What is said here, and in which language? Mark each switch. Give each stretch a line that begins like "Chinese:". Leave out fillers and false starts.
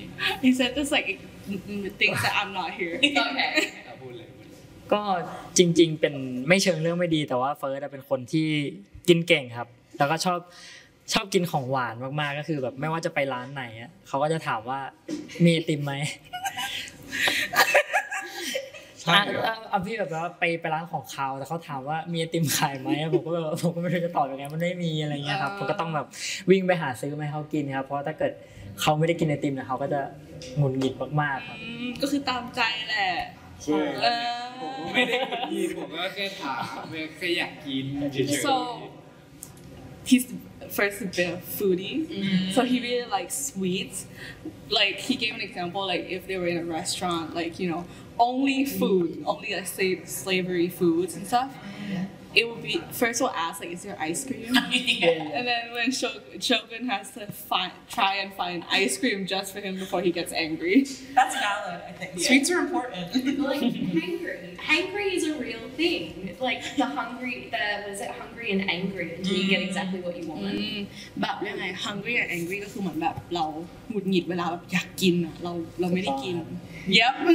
English: He said this like things that I'm not here. Okay.
Thai: ก็จริงๆเป็นไม่เชิงเรื่องไม่ดีแต่ว่าเฟิร์สเป็นคนที่กินเก่งครับแล้วก็ชอบกินของหวานมากๆก็คือแบบไม่ว่าจะไปร้านไหนอ่ะเขาก็จะถามว่ามีไอติมมั้ยอ่ะพี่แบบว่าไปร้านของเขาแต่เขาถามว่ามีไอติมขายไหมผมก็ไม่รู้จะตอบยังไงมันไม่มีอะไรเงี้ยครับผมก็ต้องแบบวิ่งไปหาซื้อมาเขากินครับเพราะถ้าเกิดเขาไม่ได้กินไอติมนะเขาก็จะหงุดหงิดมากมากครับ ก็คือตามใจแหละ ใช่ผมไม่ได้หงุดหงิดผมก็แค่ถามแค่อยากกินเฉยๆ
English: so he's first a bit foodie so he really likes sweets like he gave an example like if they were in a restaurant like you knowonly food only like say slavery foods and stuff it would be first we'll ask like is there ice cream and then when Shogun has to try and find ice cream just for him before he gets angry that's valid I think sweets are important like hangry is a real thing like the hungry the was it hungry and angry do you get exactly what you want
Thai: แบบยังไง
English: hungry and angry
Thai: ก็คือเหมือนแบบเราหงุดหงิดเวลาแบบอยากกินอ่ะเราไม่ได้กิน
English: Yep.